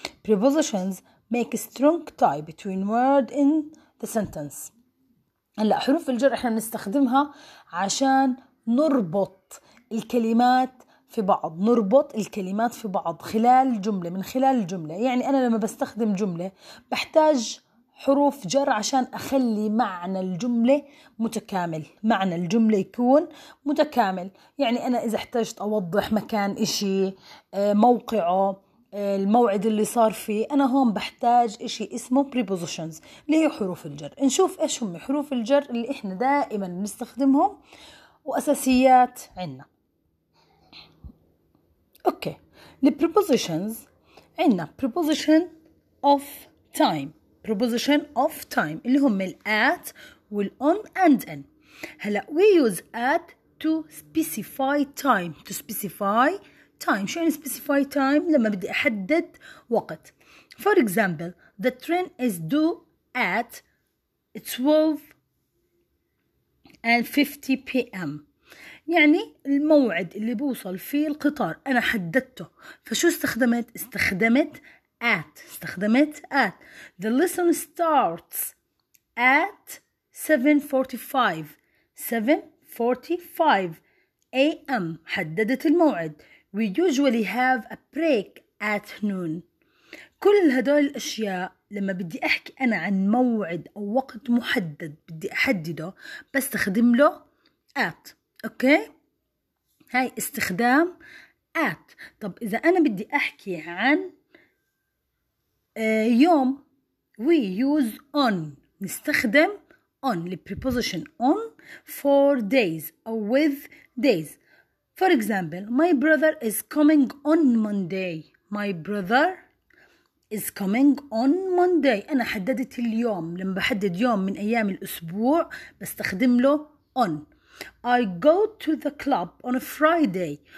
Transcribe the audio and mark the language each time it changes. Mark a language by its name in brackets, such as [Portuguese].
[English] Prepositions make a strong tie between word in the sentence. [Arabic] هلا حروف الجر احنا بنستخدمها عشان نربط الكلمات في بعض، نربط الكلمات في بعض خلال جملة، من خلال الجملة. يعني انا لما بستخدم جملة بحتاج حروف جر عشان أخلي معنى الجملة متكامل، معنى الجملة يكون متكامل. يعني أنا إذا احتاجت أوضح مكان إشي، موقعه، الموعد اللي صار فيه، أنا هون بحتاج إشي اسمه prepositions اللي هي حروف الجر. نشوف إيش هم حروف الجر اللي إحنا دائما نستخدمهم وأساسيات عنا. أوكي، prepositions عنا [English] preposition of time. Preposition of time [Arabic] اللي هم [English] الـ at والـ on and in. [Arabic] هلا [English] we use at to specify time. To specify time. [Arabic] شو يعني [English] specify time؟ [Arabic] لما بدي أحدد وقت. [English] For example, the train is due at 12:50 PM. [Arabic] يعني الموعد اللي بوصل فيه القطار أنا حددته. فشو استخدمت؟ استخدمت at. [English] The lesson starts at 7:45 AM. [Arabic] حددت الموعد. [English] We usually have a break at noon. [Arabic] كل هدول الأشياء لما بدي أحكي أنا عن موعد أو وقت محدد بدي أحدده بستخدم له at. أوكي؟ هاي استخدام at. طب إذا أنا بدي أحكي عن يوم، [English] we use on. [Arabic] نستخدم on. [English] The preposition on for days or with days. For example, my brother is coming on Monday. My brother is coming on Monday. [Arabic] أنا حددت اليوم. لما بحدد يوم من أيام الأسبوع بستخدم له on. [English] I go to the club on a Friday.